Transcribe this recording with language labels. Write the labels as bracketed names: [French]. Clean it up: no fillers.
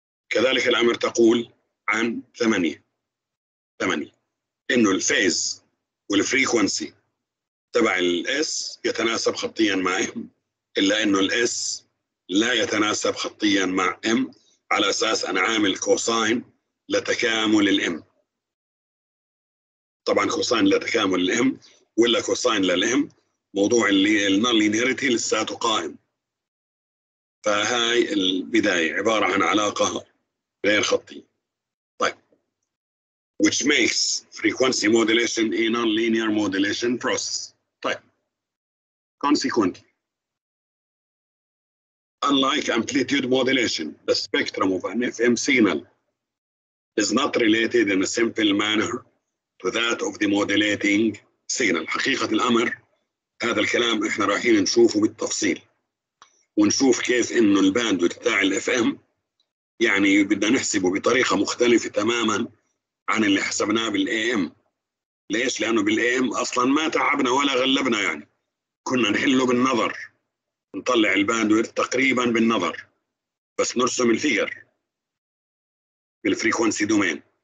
[Arabic] كذلك الأمر تقول عن 8 إنه الفيز والفريكونسي تبع الاس يتناسب خطيا مع ام، الا انه الاس لا يتناسب خطيا مع ام على اساس ان عامل كوساين لتكامل الام. طبعا كوساين لتكامل الام ولا كوساين للام، موضوع اللي النونلينيريتي لساته قائم. فهاي البدايه عباره عن علاقه غير خطيه. [English] طيب، which makes frequency modulation a nonlinear modulation process. Consequently, unlike amplitude modulation, the spectrum of an FM signal is not related in a simple manner to that of the modulating signal. [Arabic] حقيقة الأمر هذا الكلام إحنا رايحين نشوفه بالتفصيل ونشوف كيف إنه الباند بتاع FM يعني بدنا نحسبه بطريقة مختلفة تماماً عن اللي حسبناه بالAM. ليش؟ لأنه بالAM أصلاً ما تعبنا ولا غلبنا، يعني كنا نحله بالنظر، نطلع الباندويث تقريبا بالنظر بس نرسم الفيجر بالفريكونسي دومين.